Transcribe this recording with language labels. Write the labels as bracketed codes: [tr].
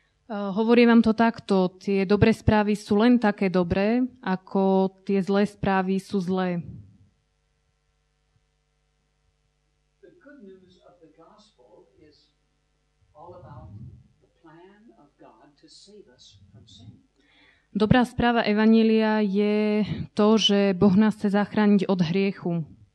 [sk] Hovorím vám to takto. Tie dobré správy sú len také dobré, ako tie zlé správy sú zlé. [en] The good news of the gospel is all about the plan of God to save us from sin. [sk] Dobrá správa Evanjelia je to, že Boh nás chce zachrániť od hriechu.